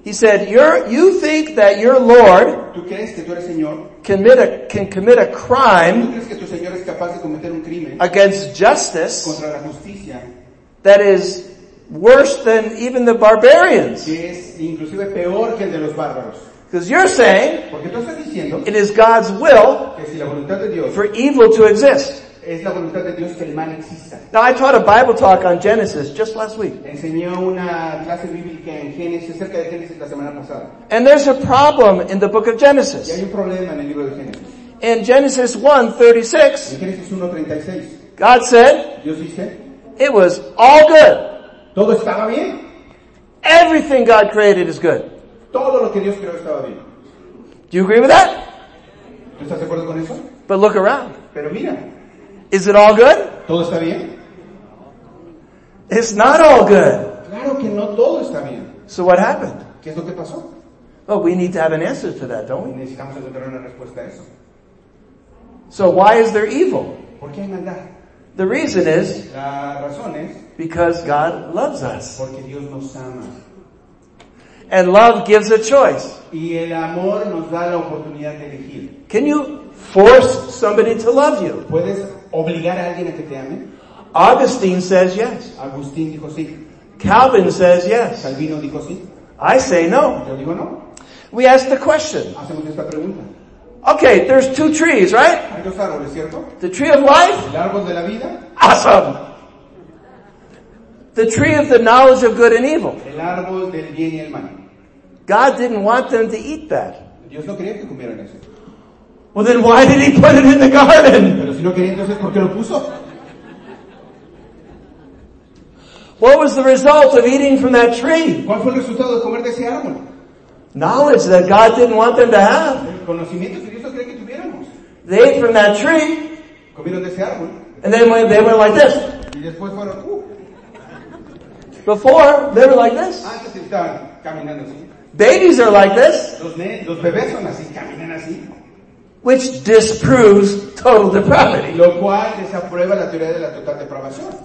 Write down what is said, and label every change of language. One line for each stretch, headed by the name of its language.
English: He said, you think that your Lord
Spanish: ¿tú crees que tú eres señor?
English: can commit a crime
Spanish: ¿tú crees que tu señor es capaz de cometer un crimen
English: against justice
Spanish: contra la justicia
English: that is worse than even the barbarians.
Spanish: Que es inclusive peor que el de los bárbaros.
English: Because you're saying
Spanish: porque tú estás diciendo
English: it is God's will
Spanish: que si la voluntad de Dios
English: for evil to exist.
Spanish: Es la voluntad de Dios que el mal exista.
English: Now, I taught a Bible talk on Genesis just last week.
Spanish: Enseñé una clase bíblica en Génesis, cerca de Génesis la semana pasada.
English: And there's a problem in the book of Genesis.
Spanish: Y hay un problema en el libro de Génesis.
English: In Genesis 1:36.
Spanish: En Génesis 1:36.
English: God said.
Spanish: Dios dice.
English: It was all good.
Spanish: Todo estaba bien.
English: Everything God created is good.
Spanish: Todo lo que Dios creó estaba bien.
English: Do you agree with that?
Spanish: ¿Tú estás de acuerdo con eso?
English: But look around.
Spanish: Pero mira.
English: Is it all good?
Spanish: ¿Todo está bien?
English: It's not all good.
Spanish: Claro que no todo está bien.
English: So what happened?
Spanish: ¿Qué es lo que pasó?
English: Well, we need to have an answer to that, don't we?
Spanish: Necesitamos tener una respuesta a eso.
English: So why is there evil?
Spanish: ¿Por qué hay maldad?
English: The reason is
Spanish: la razón es
English: because God loves us.
Spanish: Porque Dios nos ama.
English: And love gives a choice.
Spanish: Y el amor nos da la oportunidad de elegir.
English: Can you force somebody to love you?
Spanish: ¿Puedes obligar a alguien a que te ame?
English: Augustine says yes.
Spanish: Agustín dijo sí.
English: Calvin says yes.
Spanish: Calvino dijo sí.
English: I say no.
Spanish: Yo digo no.
English: We ask the question.
Spanish: Hacemos esta pregunta.
English: Okay, there's two trees, right?
Spanish: Hay dos árboles, ¿cierto?
English: The tree of life.
Spanish: El árbol de la vida.
English: Awesome. The tree of the knowledge of good and evil.
Spanish: El árbol del bien y el mal.
English: God didn't want them to eat that.
Spanish: Dios no quería que comieran eso.
English: Well, then why did he put it in the garden?
Spanish: Pero si no quería, entonces, ¿por qué lo puso?
English: What was the result of eating from that tree?
Spanish: ¿Cuál fue el resultado de comer de ese árbol?
English: Knowledge that God didn't want them to have.
Spanish: El conocimiento que Dios no quería que tuviéramos.
English: They ate from that tree.
Spanish: Comieron de ese árbol.
English: And then they went like this.
Spanish: Y después fueron,
English: Before, they were like this.
Spanish: Antes estaban caminando así.
English: Babies are like this.
Spanish: Los bebés son así, caminan así.
English: Which disproves total depravity.
Spanish: Lo cual desaprueba la teoría de la total depravación.